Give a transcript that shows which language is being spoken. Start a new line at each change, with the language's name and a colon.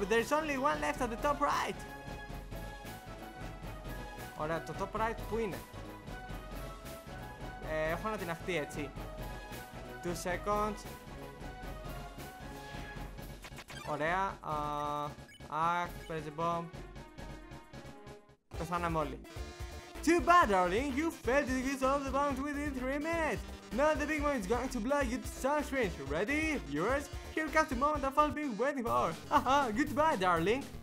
English: There's only one left at the top right!
Greek: Ωραία, το
English: top right
Greek: που είναι. Έχω να την αχτεί έτσι.
English: 2 seconds.
Greek: Ωραία. Αχ, παίρνει την bomb. Πεθάναμε όλοι.
English: Too bad, darling. You failed to use all of the bombs within 3 minutes. Now the big one is going to blow you to sunscreen. Ready, viewers? Here comes the moment I've all been waiting for. Haha, goodbye, darling.